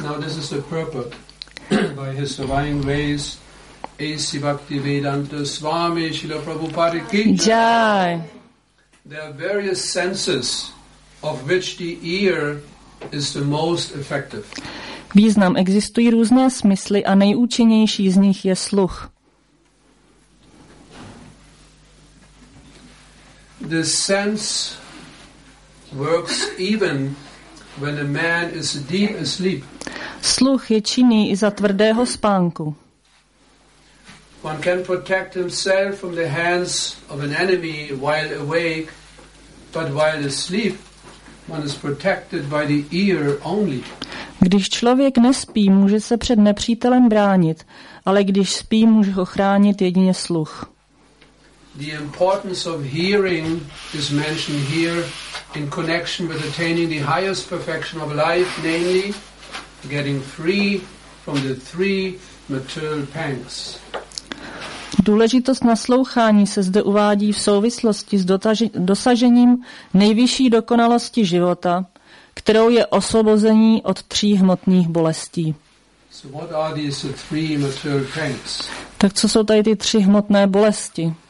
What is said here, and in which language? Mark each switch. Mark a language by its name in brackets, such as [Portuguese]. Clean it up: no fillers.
[English] Now, this is the purport by His Divine Ways. Esi Bhakti Vedanta Swami Srila Prabhupada Ki Jai. There are various senses of which the ear is the most effective. [Czech] Význam. Existují různé smysly a nejúčinnější z nich je sluch. [English] The sense works even when a man is deep asleep. [Czech] Sluch je činný i za tvrdého spánku. [English] One can protect himself from the hands of an enemy while awake, but while asleep, one is protected by the ear only. [Czech] Když člověk nespí, může se před nepřítelem bránit, ale když spí, může ho chránit jedině sluch. [English] The importance of hearing is mentioned here in connection with attaining the highest perfection of life, namely getting free from the three material pangs. [Czech] Důležitost naslouchání se zde uvádí v souvislosti s dosažením nejvyšší dokonalosti života, kterou je osvobození od tří hmotných bolestí. [English] So what are these three material pains? [Czech] Tak co jsou tady ty tři hmotné bolesti?